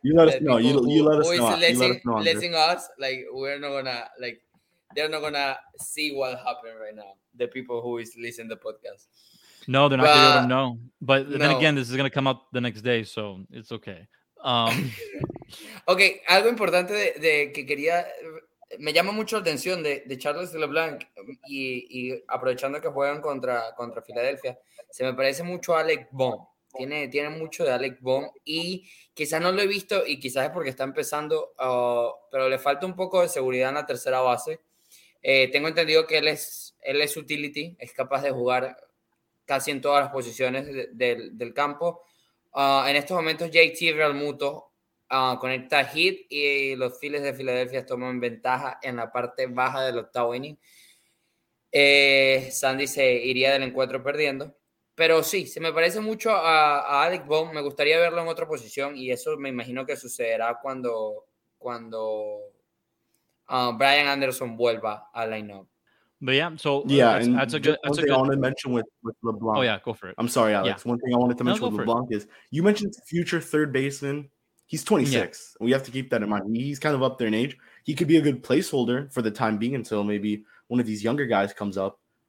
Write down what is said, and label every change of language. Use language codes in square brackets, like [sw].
[en] you let us know. You let us know. Letting us like we're not gonna like they're not gonna see what happened right now. The people who is listening to the podcast. No, they're not going to let him know. But then again, this is going to come out the next day, so it's okay. [es] Okay, algo importante de que quería... Me llama mucho la atención de Charles LeBlanc y aprovechando que juegan contra Filadelfia, se me parece mucho a Alec Bohm. Tiene mucho de Alec Bohm y quizás no lo he visto y quizás es porque está empezando, pero le falta un poco de seguridad en la tercera base. Tengo entendido que él es utility, es capaz de jugar casi en todas las posiciones del campo. En estos momentos, JT Realmuto conecta hit y los Phillies de Filadelfia toman ventaja en la parte baja del octavo inning. Sandy se iría del encuentro perdiendo. Pero sí, se me parece mucho a Alec Bohm. Me gustaría verlo en otra posición y eso me imagino que sucederá cuando Brian Anderson vuelva al lineup. [en] But yeah, so yeah, that's a good thing. I want to mention with LeBlanc. Oh yeah, go for it. I'm sorry, Alex. Yeah. One thing I wanted to mention with LeBlanc is you mentioned future third baseman. He's 26. Yeah. We have to keep that in mind. He's kind of up there in age. He could be a good placeholder for the time being until maybe one of these younger guys comes up.